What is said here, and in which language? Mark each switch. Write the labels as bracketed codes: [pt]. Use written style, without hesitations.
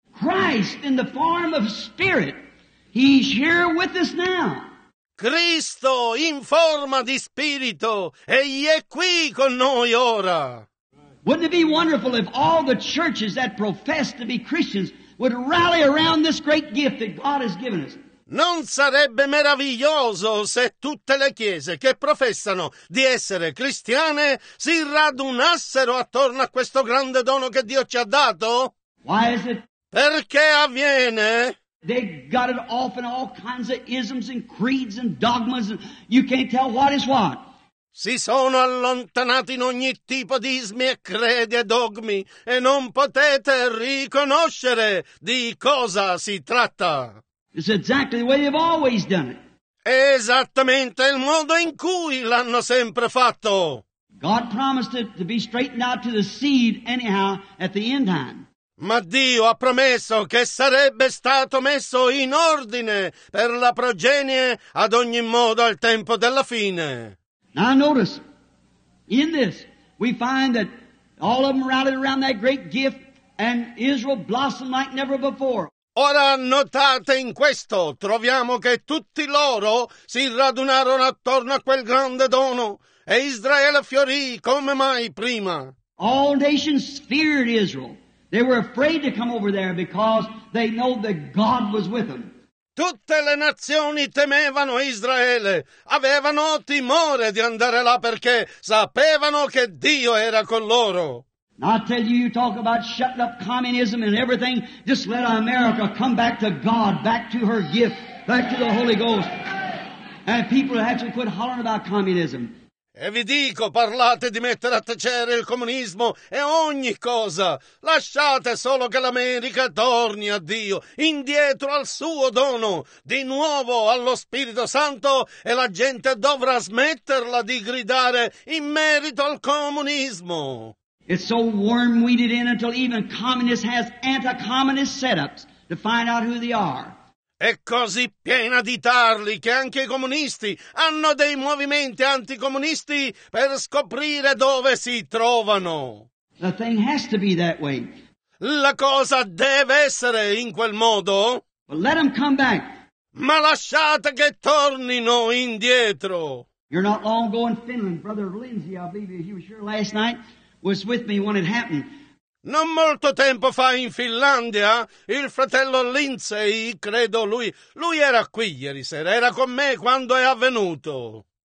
[en] Christ in the form of spirit, he's here with us now. [it] Cristo in forma di spirito, egli è qui con noi ora. [en] Wouldn't it be wonderful if all the churches that profess to be Christians would rally around this great gift that God has given us? [it] Non sarebbe meraviglioso se tutte le chiese che professano di essere cristiane si radunassero attorno a questo grande dono che Dio ci ha dato? [en] Why is it? [it] Perché avviene? [en] They got it off in all kinds of isms and creeds and dogmas. You can't tell what is what. [it] Si sono allontanati in ogni tipo di ismi e credi e dogmi e non potete riconoscere di cosa si tratta. [en] It's exactly the way they've always done it. [it] Esattamente il modo in cui l'hanno sempre fatto. [en] God promised it to be straightened out to the seed anyhow at the end time. [it] Ma Dio ha promesso che sarebbe stato messo in ordine per la progenie ad ogni modo al tempo della fine. [en] Now notice, in this we find that all of them rallied around that great gift and Israel blossomed like never before. [it] Ora notate in questo, troviamo che tutti loro si radunarono attorno a quel grande dono e Israele fiorì come mai prima. [en] All nations feared Israel. They were afraid to come over there because they know that God was with them. [it] Tutte le nazioni temevano Israele, avevano timore di andare là perché sapevano che Dio era con loro. [en] I tell you, you talk about shutting up communism and everything, just let America come back to God, back to her gift, back to the Holy Ghost. And people actually quit hollering about communism. [it] E vi dico, parlate di mettere a tacere il comunismo e ogni cosa. Lasciate solo che l'America torni a Dio, indietro al suo dono, di nuovo allo Spirito Santo, e la gente dovrà smetterla di gridare in merito al comunismo. [en] It's so worm-weeded in until even communists has anti-communist setups to find out who they are. [it] È così piena di tarli che anche i comunisti hanno dei movimenti anticomunisti per scoprire dove si trovano. [en] The thing has to be that way. [it] La cosa deve essere in quel modo. [en] But let them come back. [it] Ma lasciate che tornino indietro. [en] You're not long ago in Finland, Brother Lindsay, I believe he was here last night, was with me when it happened. [it] Non molto tempo fa in Finlandia, il fratello Lindsay, credo lui era qui ieri sera, era con me quando è avvenuto.